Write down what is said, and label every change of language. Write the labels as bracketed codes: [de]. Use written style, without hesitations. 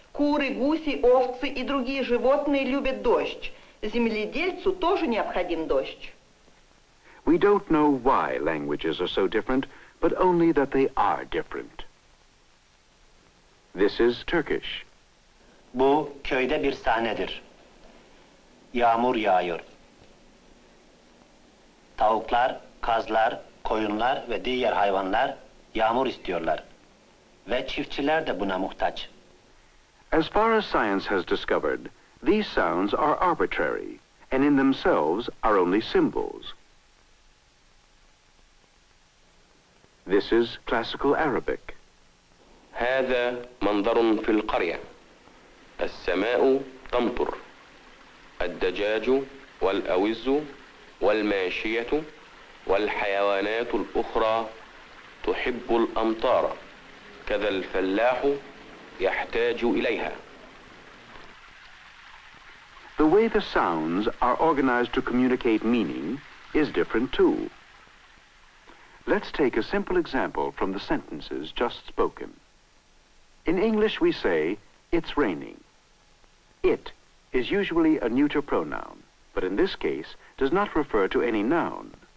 [ru] Куры, гуси, овцы и другие животные любят дождь. Земледельцу тоже необходим дождь. [en] We don't know why languages are so different, but only that they are different. This is Turkish. [tr] Bu köyde bir sahnedir. Yağmur yağıyor. Tavuklar, kazlar, koyunlar ve diğer hayvanlar yağmur istiyorlar. Ve çiftçiler de buna muhtaç. [en] As far as science has discovered, these sounds are arbitrary and in themselves are only symbols. This is classical Arabic. [ar] هذا منظر في القرية. السماء تمطر الدجاج والأوز والماشية والحيوانات الأخرى تحب الأمطار كذا الفلاح يحتاج إليها. [en] The way the sounds are organized to communicate meaning is different too. Let's take a simple example from the sentences just spoken. In English we say, it's raining. It is usually a neuter pronoun, but in this case does not refer to any noun.